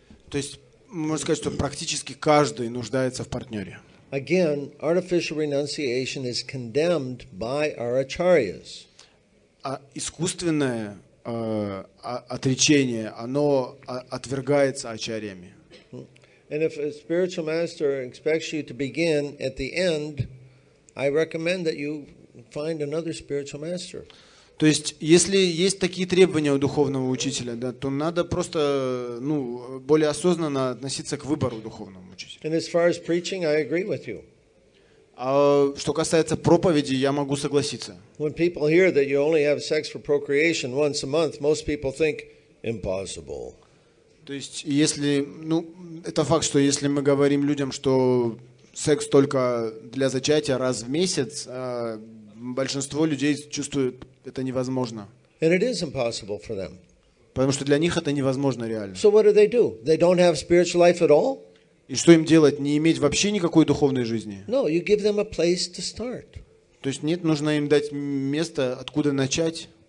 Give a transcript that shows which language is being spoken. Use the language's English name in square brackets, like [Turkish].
[Russian] То есть можно сказать, что практически каждый нуждается в партнере. [English] Again, artificial renunciation is condemned by our acharyas. [Russian] А искусственное отречение, оно отвергается ачарьями. [English] And if a spiritual master expects you to begin at the end, I recommend that you find another spiritual master. [Russian] То есть, если есть такие требования у духовного учителя, да, то надо просто, ну, более осознанно относиться к выбору духовного учителя. [English] And as far as preaching, I agree with you. [Russian] А что касается проповеди, я могу согласиться. [English] When people hear that you only have sex for procreation once a month, most people think impossible. [Russian] То есть, если, ну, это факт, что если мы говорим людям, что секс только для зачатия раз в месяц, большинство людей чувствует, это невозможно. [English] And it is impossible for them. [Russian] Потому что для них это невозможно реально. [English] So what do? They don't have spiritual life at all? [Russian] И что им делать? Не иметь вообще никакой духовной жизни? [English] No, you give them a place to start. [Russian] То есть, нет, нужно им дать место, откуда начать.